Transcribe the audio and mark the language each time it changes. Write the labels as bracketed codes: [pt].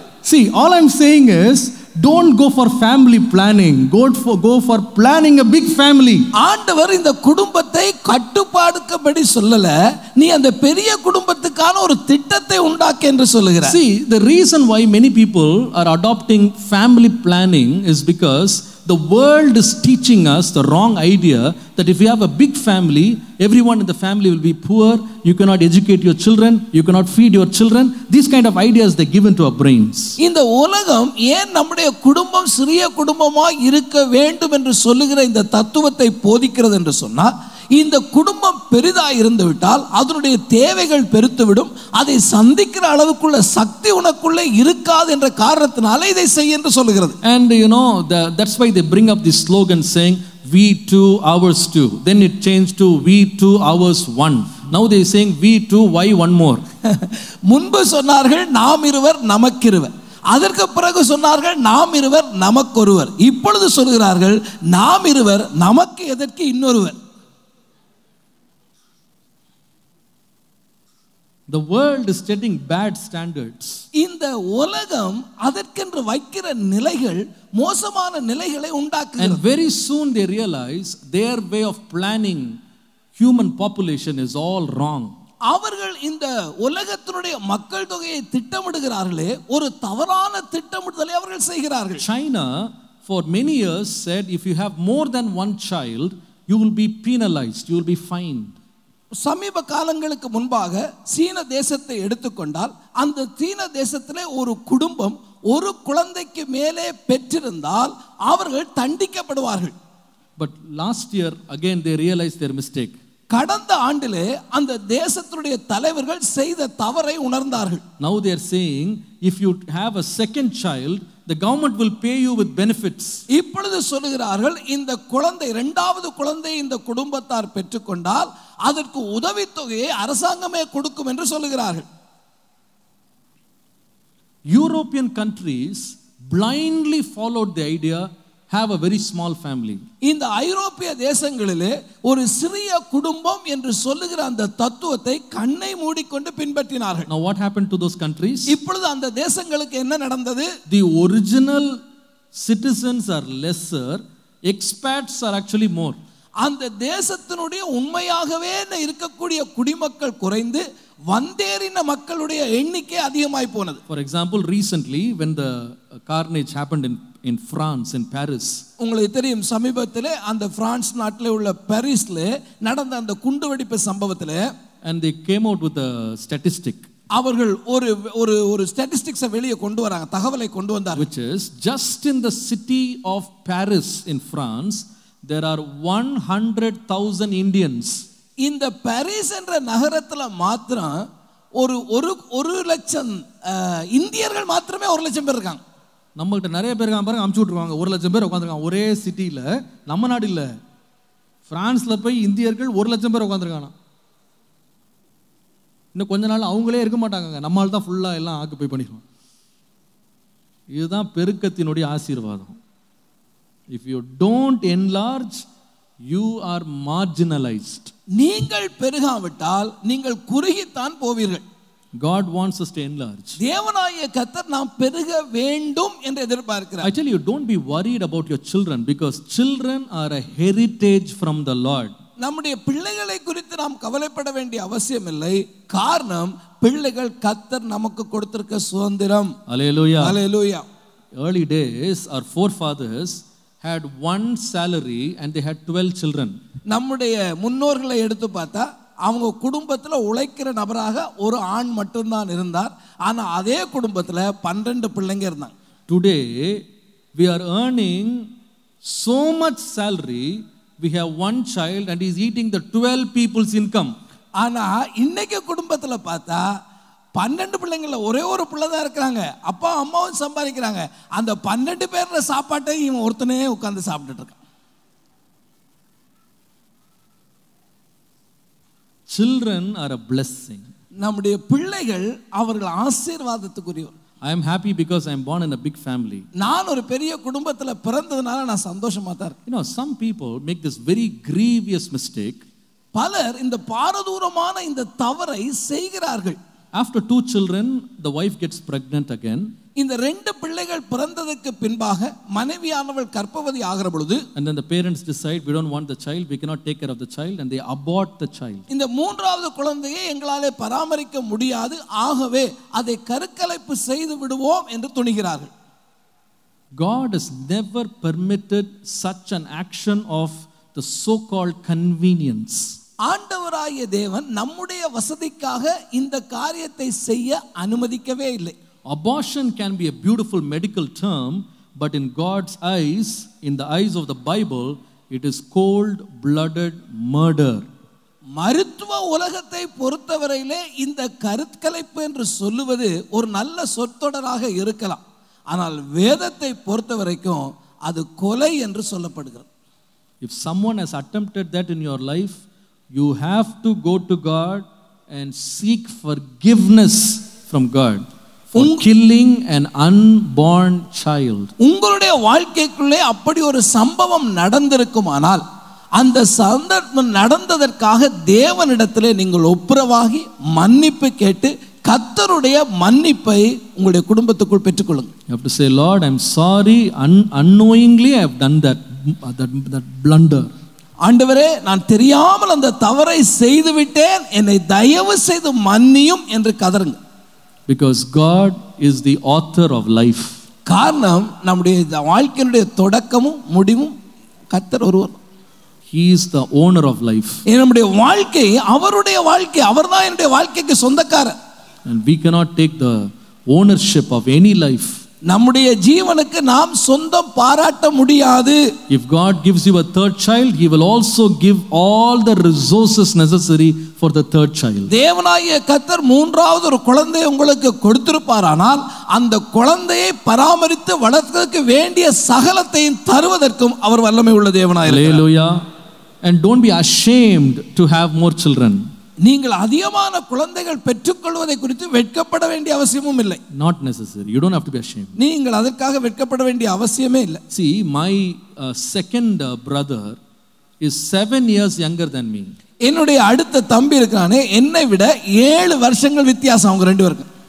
[en] See, all I'm saying is don't go for family planning. Go for planning a big family. [ta] ஆண்டவர் இந்த குடும்பத்தை கட்டுப்பாடுக்கபடி சொல்லல, நீ அந்த பெரிய குடும்பத்துக்கான ஒரு திட்டத்தை உண்டாக்கு என்று சொல்கிறார். [en] See, the reason why many people are adopting family planning is because the world is teaching us the wrong idea that if you have a big family, everyone in the family will be poor, you cannot educate your children, you cannot feed your children. These kind of ideas they given to our brains. [ta] இந்த உலகம் ஏன் நம்முடைய குடும்பம் சிறிய குடும்பமாக இருக்க வேண்டும் என்று சொல்லுகிற இந்த தத்துவத்தை போதிக்கிறது என்று சொன்னால், இந்த குடும்பம் பெரிதாக இருந்துவிட்டால் அதனுடைய தேவைகள் பெருத்துவிடும், அதை சந்திக்கிற அளவுக்குள்ள சக்தி உனக்குள்ளே இருக்காது என்ற காரணத்தினாலே இதை செய்ய என்று சொல்லுகிறது. [en] And you know, that's why they bring up this slogan saying we two, ours two. Then it changed to we two, ours one. Now they are saying we two, why one more? [ta] முன்பு சொன்னார்கள் நாம் இருவர் நமக்கிருவர், அதற்கு பிறகு சொன்னார்கள் நாம் இருவர் நமக்கொருவர், இப்பொழுது சொல்கிறார்கள் நாம் இருவர் நமக்கு எதற்கு இன்னொருவர். [en] The world is setting bad standards. [ta] இந்த உலகம் அதற்கென்று வைக்கிற நிலைகள் மோசமான நிலைகளை உண்டாக்குது. [en] And very soon they realize their way of planning human population is all wrong. [ta] அவர்கள் இந்த உலகத்தினுடைய மக்கள் தொகையை திட்டமிடுகிறார்களே, ஒரு தவறான திட்டமிடுதலை அவர்கள் செய்கிறார்கள். [en] China for many years said if you have more than one child you will be penalized, you will be fined. [ta] சமீப காலங்களுக்கு முன்பாக சீன தேசத்தை எடுத்துக்கொண்டால், அந்த சீன தேசத்திலே ஒரு குடும்பம் ஒரு குழந்தைக்கு மேலே பெற்றிருந்தால் அவர்கள் தண்டிக்கப்படுவார்கள். [en] But last year again they realized their mistake. [ta] கடந்த ஆண்டிலே அந்த தேசத்துடைய தலைவர்கள் செய்த தவறை உணர்ந்தார்கள். [en] Now they are saying if you have a second child the government will pay you with benefits. [ta] இப்பொழுது சொல்கிறார்கள் இந்த குழந்தை இரண்டாவது குழந்தை இந்த குடும்பத்தார் பெற்றுக்கொண்டால் அதற்கு உதவி தொகையை அரசாங்கமே கொடுக்கும் என்று சொல்கிறார்கள். [en] European countries blindly followed the idea have a very small family. [ta] இந்த ஐரோப்பிய தேசங்களிலே ஒரு சிறிய குடும்பம் என்று சொல்லுகிற அந்த தத்துவத்தை கண்ணை மூடிக்கொண்டு பின்பற்றினார்கள். [en] Now what happened to those countries? [ta] இப்பொழுது அந்த தேசங்களுக்கு என்ன நடந்தது? [en] The original citizens are lesser, expats are actually more. [ta] அந்த தேசத்தினுடைய உண்மையாகவே இருக்கக்கூடிய குடிமக்கள் குறைந்து வந்தேறின மக்களுடைய எண்ணிக்கை அதிகமாய் போனது. [en] For example, recently when the carnage happened in France, in Paris. [ta] உங்களுக்கு தெரியும் சமீபத்திலே அந்த பிரான்ஸ் நாட்டில் உள்ள பாரிஸ்ல நடந்த அந்த குண்டுவெடிப்பு சம்பவத்தில் [en] and they came out with a statistic. [ta] அவர்கள் ஒரு ஒரு ஒரு ஸ்டாட்டிஸ்டிக்ஸ் வெளியே கொண்டு வராங்க, தகவலை கொண்டு வந்தார்கள். [en] Which is just in the city of Paris in France there are 100,000 Indians. [ta] இந்த பாரிஸ் என்ற நகரத்தில் மாத்திரம் ஒரு ஒரு ஒரு லட்சம் இந்தியர்கள் மாத்திரமே 100,000 பேர் இருக்காங்க. நம்மகிட்ட நிறைய பேர் பாருங்க, அனுப்பிச்சு விட்ருவாங்க. 100,000 பேர் உட்காந்துருக்காங்க ஒரே சிட்டியில், நம்ம நாடு இல்லை, ஃப்ரான்ஸில் போய் இந்தியர்கள் 100,000 பேர் உட்காந்துருக்காங்கண்ணா. இன்னும் கொஞ்ச நாள் அவங்களே இருக்க மாட்டாங்க, நம்மளால் தான் ஃபுல்லாக எல்லாம் ஆக்கு போய் பண்ணிடுவாங்க. இதுதான் பெருக்கத்தினுடைய ஆசீர்வாதம். [en] If you don't enlarge you are marginalized. [ta] நீங்கள் பெருகாவிட்டால் நீங்கள் குறுகித்தான் போவீர்கள். [en] God wants us to enlarge. [ta] தேவனாய கர்த்தர் நாம் பெருக வேண்டும் என்று எதிர்பார்க்கிறார். [en] I tell you, don't be worried about your children because children are a heritage from the Lord. [ta] நம்முடைய பிள்ளைகளை குறித்து நாம் கவலைப்பட வேண்டிய அவசியம் இல்லை, காரணம் பிள்ளைகள் கர்த்தர் நமக்கு கொடுத்திருக்க சுதந்திரம். [en] Hallelujah. Hallelujah. Early days our forefathers had one salary and they had 12 children. [ta] நம்முடைய முன்னோர்களை எடுத்து பார்த்தா அவங்க குடும்பத்தில் உழைக்கிற நபராக ஒரு ஆண் மட்டும்தான் இருந்தார், ஆனால் அதே குடும்பத்தில் 12 பிள்ளைங்க இருந்தாங்க. [en] Today we are earning so much salary, we have one child and he is eating the 12 people's income. [ta] ஆனால் இன்னைக்கு குடும்பத்தில் பார்த்தா பன்னெண்டு பிள்ளைங்களில் ஒரே ஒரு பிள்ளைதான் இருக்கிறாங்க, அப்பா அம்மாவும் சம்பாதிக்கிறாங்க, அந்த பன்னெண்டு பேர் சாப்பாட்டை இவன் ஒருத்தனே உட்கார்ந்து சாப்பிட்டுட்டு இருக்கான். [en] Children are a blessing. [ta] நம்முடைய பிள்ளைகள் அவர்கள் ஆசீர்வாதத்துக்குரியவர். [en] I am happy because I am born in a big family. [ta] நான் ஒரு பெரிய குடும்பத்துல பிறந்ததனால நான் சந்தோஷமா தான் இருக்கு. [en] You know, some people make this very grievous mistake. [ta] பலர் இந்த பாரதூரமான இந்த தவறை செய்கிறார்கள். [en] After two children, the wife gets pregnant again. [ta] இந்த ரெண்டு பிள்ளைகள் பிறந்ததற்கு பின்பாக மனைவியானவள் கர்ப்பவதி ஆகிற பொழுது, [en] and then the parents decide we don't want the child, we cannot take care of the child, and they abort the child. [ta] இந்த மூன்றாவது குழந்தையை எங்களாலே பராமரிக்க முடியாது, ஆகவே அதை கருக்கலைப்பு செய்து விடுவோம் என்று துணிகிறார்கள். [en] God has never permitted such an action of the so-called convenience. [ta] ஆண்டவராகிய தேவன் நம்முடைய வசதிக்காக இந்த காரியத்தை செய்ய அனுமதிக்கவே இல்லை. [en] Abortion can be a beautiful medical term, but in God's eyes, in the eyes of the Bible, it is cold-blooded murder. [ta] மருத்துவ உலகத்தை பொறுத்தவரையிலே இந்த கருக்கலைப்பு என்று சொல்லுவது ஒரு நல்ல சொற்றொடராக இருக்கலாம், ஆனால் வேதத்தை பொறுத்தவரைக்கும் அது கொலை என்று சொல்லப்படுகிறது. [en] If someone has attempted that in your life, you have to go to God and seek forgiveness from God. For killing an unborn child. [ta] உங்களுடைய வாழ்க்கைக்குள்ளே அப்படி ஒரு சம்பவம் நடந்திருக்குமானால் அந்த சந்தர்ப்பம் நடந்ததற்காக தேவனிடத்திலே நீங்கள் ஒப்புரவாகி மன்னிப்பு கேட்டு கர்த்தருடைய மன்னிப்பை உங்களுடைய குடும்பத்துக்குள் பெற்றுக்கொள்ளுங்கள். [en] You have to say, Lord, I'm sorry, unknowingly I have done that blunder. [ta] ஆண்டவரே, நான் தெரியாமல் அந்த தவறை செய்து விட்டேன், என்னை தயவு செய்து மன்னியும் என்று கதறுங்கள். [en] Because God is the author of life. [ta] காரணம் நம்முடைய வாழ்க்கையினுடைய தொடக்கமும் முடிவும் கர்த்தர் ஒருவர். [en] He is the owner of life. [ta] நம்முடைய வாழ்க்கை அவருடைய வாழ்க்கை, அவர்தான் என்னுடைய வாழ்க்கைக்கு சொந்தக்காரர். [en] And we cannot take the ownership of any life. [ta] நம்முடைய ஜீவனுக்கு நாம் சொந்தம் பாராட்ட முடியாது. [en] If God gives you a third child, he will also give all the resources necessary for the third child. [ta] தேவனாகிய கர்த்தர் மூன்றாவது ஒரு குழந்தையை உங்களுக்கு கொடுத்திருப்பாரானால் அந்த குழந்தையை பராமரித்து வளர்க்கிறதுக்கு வேண்டிய சகலத்தையும் தருவதற்கும் அவர் வல்லமை உள்ள தேவனாய் இருக்கிறார். ஹalleluya. [en] And don't be ashamed to have more children. [ta] நீங்கள் அதிகமான குழந்தைகள் பெற்றுக்கொள்வதை குறித்து வெட்கப்பட வேண்டிய அவசியமும் இல்லை. [en] Not necessary. You don't have to be ashamed. [ta] நீங்கள் அதற்காக வெட்கப்பட வேண்டிய அவசியமே இல்லை. [en] See, my second brother is 7 years younger than me. [ta] என்னுடைய அடுத்த தம்பி இருக்கானே என்னை விட 7 வருஷங்கள் வித்தியாசம் அவங்க ரெண்டு பேருக்கு.